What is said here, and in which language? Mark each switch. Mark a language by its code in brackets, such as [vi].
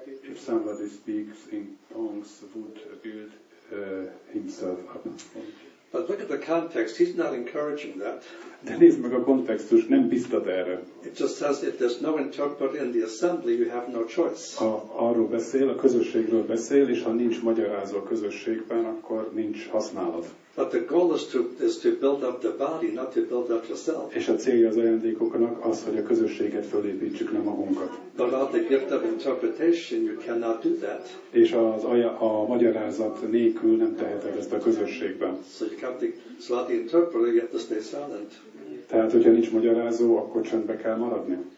[en] If somebody speaks in tongues, would build himself up. But look at the context. He's not encouraging that. [hu] De nézd meg a kontextus, nem biztat erre. [en] It just says if there's no interpreter in the assembly, you have no choice. [hu] Ha arról beszél, a közösségről beszél, és ha nincs magyarázó a közösségben, akkor nincs használat. [en] But the goal is to build up the body, not to build up yourself. [hu] És a célja az ajándékoknak az, hogy a közösséget fölépítsük, nem magunkat. [en] But without the gift of interpretation, you cannot do that. [hu] És a magyarázat nélkül nem teheted ezt a közösségben. [en] So you can't slot the interpreter, you have to stay silent. [hu] Tehát, hogyha nincs magyarázó, akkor csendbe kell maradni.